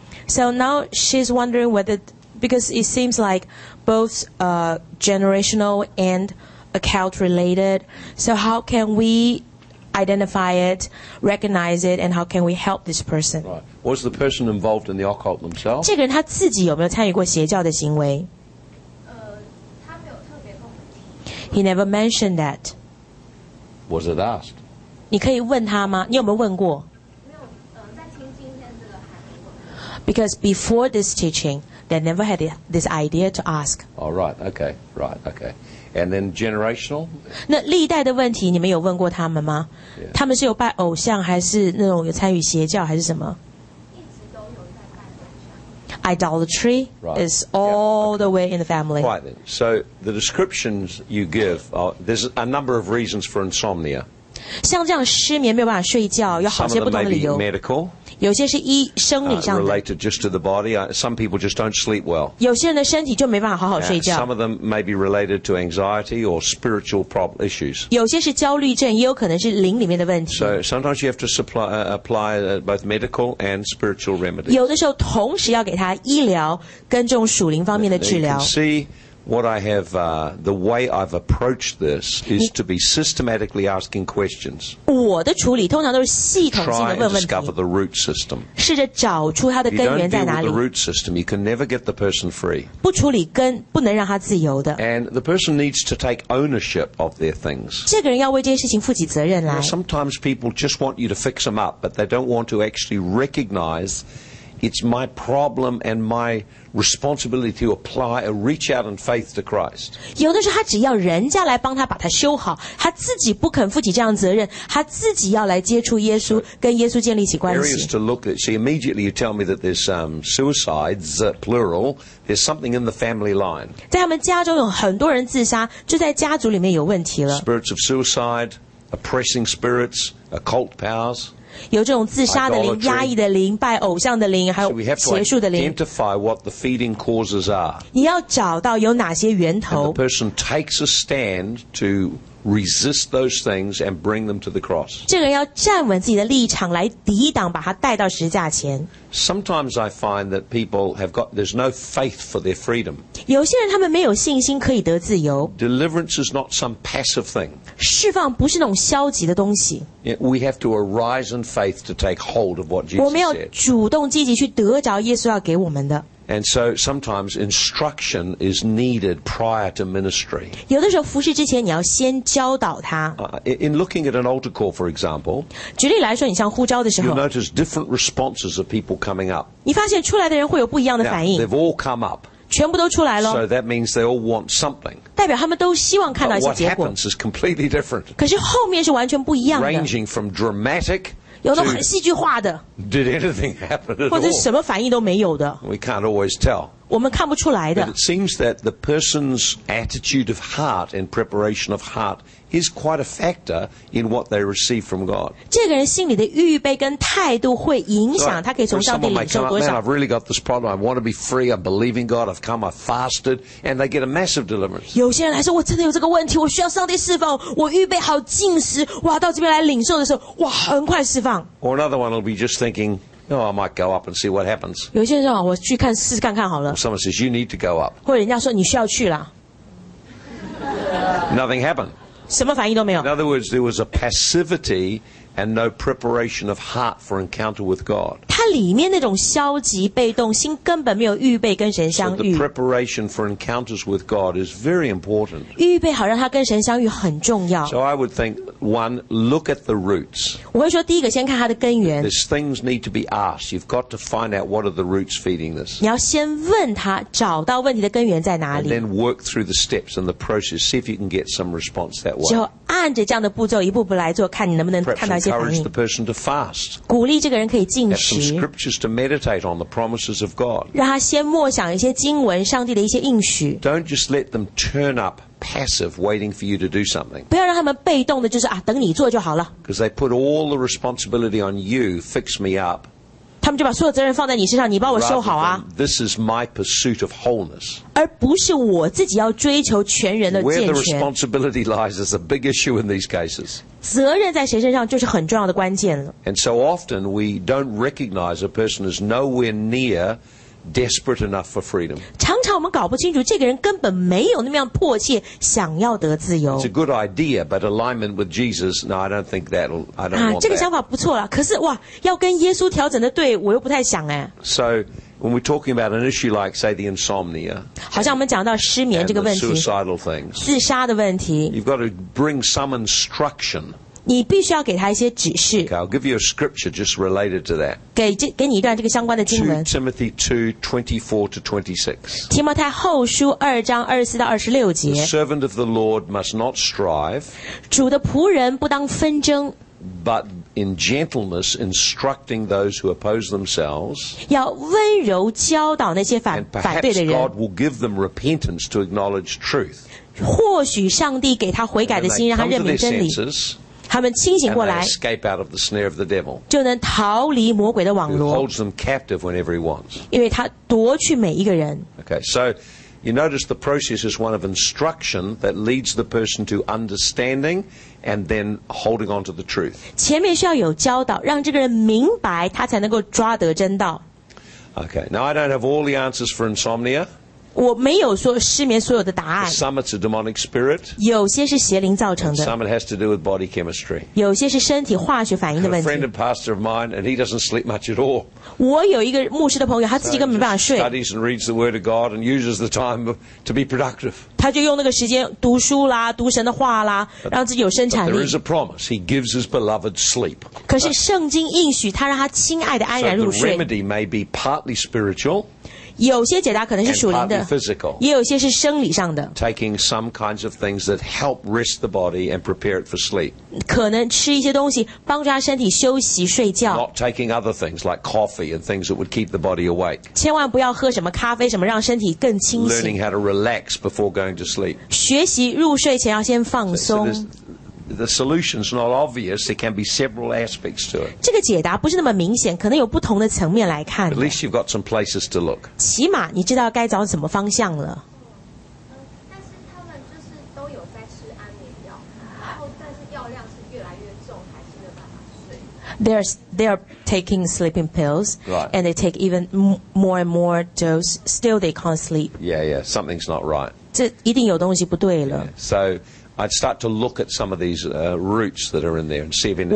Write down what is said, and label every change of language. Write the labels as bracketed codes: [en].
[en] So now she's wondering whether, because it seems like both generational and occult related. So how can we identify it, recognize it, and how can we help this person? Right. Was the person involved in the occult themselves? [zh] 这个人他自己有没有参与过邪教的行为？ [en] He never mentioned that. Was it asked? [zh] 你可以问他吗？你有没有问过？没有，在听今天这个还没问。 [en] Because before this teaching, they never had this idea to ask. Oh, right, okay, right, okay. And then generational? [zh] 那历代的问题，你们有问过他们吗？ [en] Yeah. [zh] 他们是有拜偶像，还是那种有参与邪教，还是什么？一直都有在拜偶像。 [en] Idolatry right. is all yeah, okay. the way in the family. Right, then. So... The descriptions you give, there's a number of reasons for insomnia. [zh] 像这样失眠没有办法睡觉，有好些不同的理由。 [en] Some of them may be medical. [zh] 有些是生理上的。 [en] Related just to the body. Some people just don't sleep well. [zh] 有些人的身体就没办法好好睡觉。 [en] Some of them may be related to anxiety or spiritual problem issues. [zh] 有些是焦虑症，也有可能是灵里面的问题。 [en] So sometimes you have to apply both medical and spiritual remedies. [zh] 有的时候同时要给他医疗跟这种属灵方面的治疗。 [en] See. What I have, the way I've approached this is to be systematically asking questions. [zh] 我的处理通常都是系统性的问问题。 [en] Try and discover the root system. [zh] 试着找出它的根源在哪里。 [en] You don't deal with the root system, you can never get the person free. [zh] 不处理根，不能让他自由的。 [en] And the person needs to take ownership of their things. [zh] 这个人要为这些事情负起责任来。 [en] Sometimes people just want you to fix them up, but they don't want to actually recognize. it's my problem and my responsibility to apply a reach out in faith to Christ. [zh] 有的时候他只要人家来帮他把他修好，他自己不肯负起这样责任，他自己要来接触耶稣，跟耶稣建立起关系。 [en] Areas to look at. See, immediately you tell me that there's suicides, plural. There's something in the family line. [zh] 在他们家中有很多人自杀，就在家族里面有问题了。 [en] Spirits of suicide, oppressing spirits, occult powers. [zh] 有这种自杀的灵、压抑的灵、拜偶像的灵，还有邪术的灵。 [en] Identify what the feeding causes are. [zh] 你要找到有哪些源头。 [en] And the person takes a stand to resist those things and bring them to the cross. [zh] 这个人要站稳自己的立场来抵挡，把他带到十字架前。 [en] Sometimes I find that people have got there's no faith for their freedom. [zh] 有些人他们没有信心可以得自由。 [en] Deliverance is not some passive thing. [zh] 释放不是那种消极的东西。 [en] We have to arise in faith to take hold of what Jesus said. [zh] 我们要主动积极去得着耶稣要给我们的。 [en] And so sometimes instruction is needed prior to ministry. [zh] 有的时候服事之前你要先教导他。 [en] In looking at an altar call, for example, [zh] 举例来说，你像呼召的时候 [en] ，you notice different responses of people coming up. [zh] 你发现出来的人会有不一样的反应。 [en] Now, they've all come up. [zh] 全部都出来了。 [en] So that means they all want something. [zh] 代表他们都希望看到一些结果。 [en] But what happens is completely different. [zh] 可是后面是完全不一样的。 [en] Ranging from dramatic, [zh] 有的很戏剧化的。 [en] Did anything happen at all? [zh] 或者什么反应都没有的。 [en] We can't always tell. [zh] 我们看不出来的。 [en] But it seems that the person's attitude of heart and preparation of heart is quite a factor in what they receive from God. [zh] 这个人心里的预备跟态度会影响他可以从上帝领受多少。 [en] Man, I've really got this problem. I want to be free. I believe in God. I've come. I fasted, and they get a massive deliverance. [zh] 有些人来说，我真的有这个问题，我需要上帝释放。我预备好禁食，我要到这边来领受的时候，哇，很快释放。 [en] Or another one will be just thinking. No, I might go up and see what happens. [zh] 有些人说，我去看试试看看好了。 [en] Someone says you need to go up. [zh] 或者人家说你需要去啦。 [en] Nothing happened. [zh] 什么反应都没有。 [en] In other words, there was a passivity and no preparation of heart for encounter with God. [zh] 他里面那种消极、被动，心根本没有预备跟神相遇。 [en] So the preparation for encounters with God is very important. [zh] 预备好让他跟神相遇很重要。 [en] So I would think. One, look at the roots. [zh] 我会说第一个先看它的根源。 [en] There's things need to be asked. You've got to find out what are the roots feeding this. [zh] 你要先问他，找到问题的根源在哪里。 [en] And then work through the steps and the process. See if you can get some response that way. [zh] 就按着这样的步骤一步步来做，看你能不能看到一些反应。 [en] Encourage the person to fast. [zh] 鼓励这个人可以进食。 [en] Have some scriptures to meditate on the promises of God. [zh] 让他先默想一些经文，上帝的一些应许。 [en] Don't just let them turn up. Passive, waiting for you to do something. [zh] 不要让他们被动的，就是啊，等你做就好了。 [en] Because they put all the responsibility on you, fix me up. [zh] 他们就把所有责任放在你身上，你帮我修好啊。 [en] This is my pursuit of wholeness. [zh] 而不是我自己要追求全人的健全。 [en] Where the responsibility lies is a big issue in these cases. [zh] 责任在谁身上就是很重要的关键了。 [en] And so often we don't recognize a person is nowhere near. Desperate enough for freedom. [zh] 常常我们搞不清楚，这个人根本没有那么样迫切想要得自由。 [en] It's a good idea, but alignment with Jesus. No, I don't think that'll. I don't want that. [zh] 这个想法不错了，可是哇，要跟耶稣调整的对，我又不太想哎。 [en] So when we're talking about an issue like, say, the insomnia, [zh] 好像我们讲到失眠这个问题 [en] and the suicidal things, [zh] 自杀的问题 [en] you've got to bring some instruction. [zh] 你必须要给他一些指示。 [en] Okay, I'll give you a scripture just related to that. [zh] 给你一段这个相关的经文。 [en] 2 Timothy 2:24-26. [zh] 提摩太后书二章二十四到二十六节。 [en] The servant of the Lord must not strive. [zh] 主的仆人不当纷争。 [en] But in gentleness instructing those who oppose themselves. [zh] 要温柔教导那些反对的人。 [en] And perhaps God will give them repentance to acknowledge truth. [zh] 或许上帝给他悔改的心，让他认明真理。他们清醒过来 [en] and they escape out of the snare of the devil, [zh] 就能逃离魔鬼的网罗 [en] who holds them captive whenever he wants. [zh] 因为他夺取每一个人 [en] Okay, so you notice the process is one of instruction that leads the person to understanding and then holding on to the truth. [zh] 前面需要有教导让这个人明白他才能够抓得真道 [en] Okay, now I don't have all the answers for insomnia. [zh] 我没有说失眠所有的答案。 [en] Some it's a demonic spirit. [zh] 有些是邪灵造成的。 [en] Some it has to do with body chemistry. [zh] 有些是身体化学反应的问题。 [en] A friend and pastor of mine, and he doesn't sleep much at all. [zh] 我有一个牧师的朋友，他自己根本没办法睡。 [en] Studies and reads the word of God and uses the time to be productive. [zh] 他就用那个时间读书啦，读神的话啦，让自己有生产力。 [en] But there is a promise. He gives his beloved sleep. [zh] 可是圣经应许他让他亲爱的安然入睡。 [en] So the remedy may be partly spiritual. [zh] 有些解答可能是属灵的 [en] physical, [zh] 也有些是生理上的 [en] taking some kinds of things that help rest the body and prepare it for sleep [zh] 可能吃一些东西帮助他身体休息睡觉 [en] not taking other things like coffee and things that would keep the body awake [zh] 千万不要喝什么咖啡什么让身体更清醒 [en] learning how to relax before going to sleep [zh] 学习入睡前要先放松 [en] the solution's not obvious there can be several aspects to it [zh] 这个解答不是那么明显可能有不同的层面来看 [en] at least you've got some places to look [zh] 起码你知道该找什么方向了、但是他们就是都有在吃安眠药然后但是药量是越来越重还是没有办法睡 [en] they are taking sleeping pills、 right. and they take even more and more dose still they can't sleep yeah yeah something's not right [zh] 这一定有东西不对了、 [en] yeah. soI'd start to look at some of these roots that are in there and see if anything.